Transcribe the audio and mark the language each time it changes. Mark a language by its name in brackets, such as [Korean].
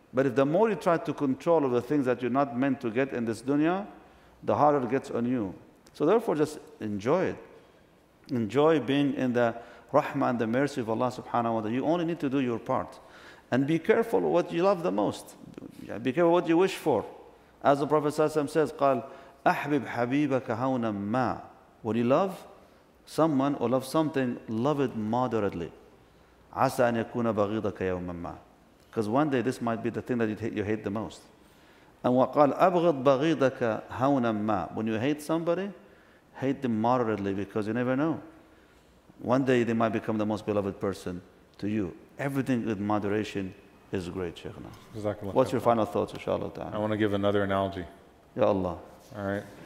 [English] But if the more you try to control of the things that you're not meant to get in this dunya, the harder it gets on you. So therefore, just enjoy it. Enjoy being in the rahmah and the mercy of Allah subhanahu wa ta'ala. You only need to do your part. And be careful what you love the most. Be careful what you wish for. As the Prophet says, [Arabic] قال, أحبب حبيبك هونا ما. [English] When you love someone or love something, love it moderately. [Arabic] عسى أن يكون بغيضك يوما ما. [English] Because one day this might be the thing that you hate the most. [Arabic] And وقال أبغض بغيضك هونا ما. [English] When you hate somebody, hate them moderately, because you never know. One day they might become the most beloved person to you. Everything with moderation is great, Shaykhna. Exactly. What's your final thoughts, inshallah ta'ala? I want to give another analogy. Ya Allah. All right.